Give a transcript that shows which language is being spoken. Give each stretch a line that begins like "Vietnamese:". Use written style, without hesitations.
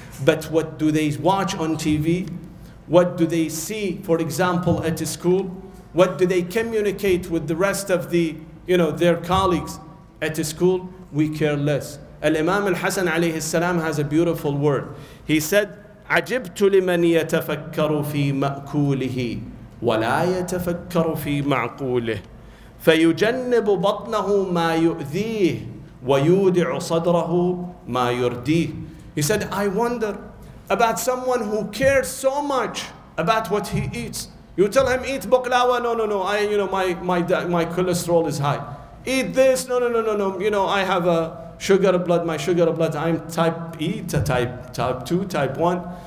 English: But what do they watch on TV? What do they see, for example, at school? What do they communicate with the rest of the, you know, their colleagues at school? We care less. Al-Imam al-Hasan alayhi salam has a beautiful word. He said,
Arabic: عجبت لمن يتفكر في مأكوله ولا يتفكر في معقوله فيجنب بطنه ما يؤذيه ويودع صدره ما يرديه.
English: He said, I wonder about someone who cares so much about what he eats. You tell him, eat baklava. No. My cholesterol is high. Eat this. No. You know, I have a sugar blood. My sugar blood, I'm type E, type 2, type 1.